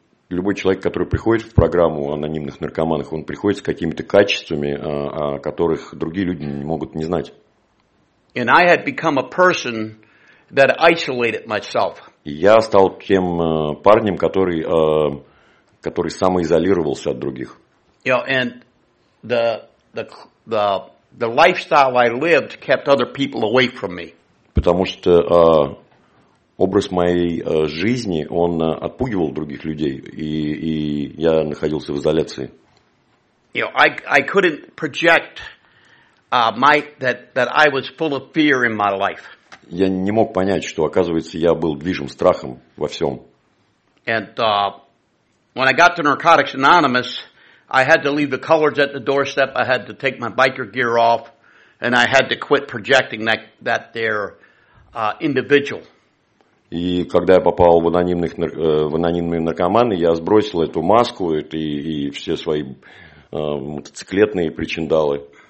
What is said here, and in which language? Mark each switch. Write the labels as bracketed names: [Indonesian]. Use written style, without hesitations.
[Russian] Любой человек, который приходит в программу анонимных наркоманов, он приходит с какими-то качествами, о которых другие люди не могут не знать. Я стал тем парнем, который самоизолировался от других. [English] You know, and the lifestyle I lived kept other people away from me. [Russian] Потому что образ моей жизни, он отпугивал других людей, и я находился в изоляции. [English] You know, I couldn't project that I was full of fear in my life. [Russian] Я не мог понять, что, оказывается, я был движим страхом во всем. [English] And when I got to Narcotics Anonymous, I had to leave the colors at the doorstep, I had to take my biker gear off, and I had to quit projecting that individual. [Russian] И когда я попал в анонимные наркоманы, я сбросил эту маску и все свои мотоциклетные причиндалы.